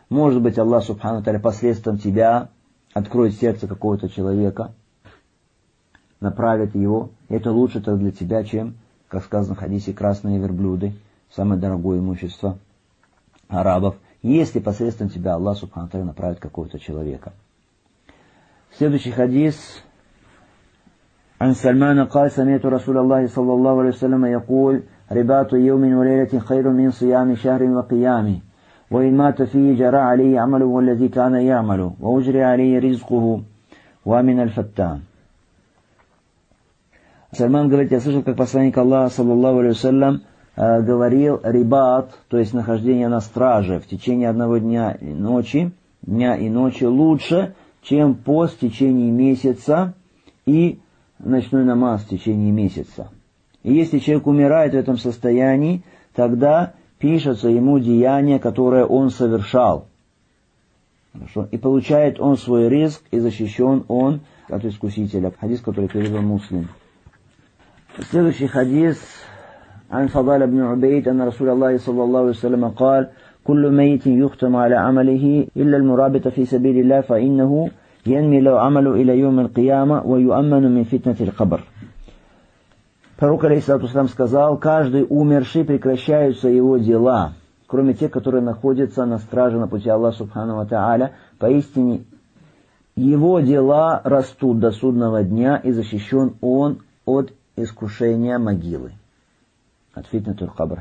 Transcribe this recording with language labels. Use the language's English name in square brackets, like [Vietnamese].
[Russian] Может быть, Аллах субхану ва тааля посредством тебя откроет сердце какого-то человека, направит его. Это лучше тогда для тебя, чем, как сказано в хадисе, красные верблюды, самое дорогое имущество арабов, если посредством тебя Аллах субхану ва тааля направит какого-то человека. Следующий хадис. [Arabic] عن سلمان قال سمعت رسول الله صلى الله عليه وسلم يقول رباط يوم وليلة خير من صيام شهر وقيام وإن مات فيه جرى عليه عمله والذي كان يعمله وأجري عليه رزقه ومن الفتان. [Russian] Сальман говорит, я слышал, как посланник Аллаха, саллаллаху алейхи ва саллям, говорил, рибат, то есть нахождение на страже в течение одного дня и ночи, лучше, чем пост в течение месяца и ночной намаз в течение месяца. И если человек умирает в этом состоянии, тогда пишется ему деяние, которое он совершал. Хорошо? И получает он свой риск, и защищен он от искусителя. Хадис, который передал Муслим. Следующий хадис. [Arabic] عن فضال بن عبيد أن رسول الله صلى الله عليه وسلم قال كل ميت يختم على عمله إلا المرابط في سبيل الله فإنه ينمي له عمله إلى يوم القيامة ويؤمن من فتنة القبر. [Russian] Пророк алейхиссалату вассалям сказал, каждый умерший прекращаются его дела, кроме тех, которые находятся на страже на пути Аллаха Субхану ва Тааля. Поистине, его дела растут до судного дня, и защищен он от искушения могилы. От фитнатур кабр.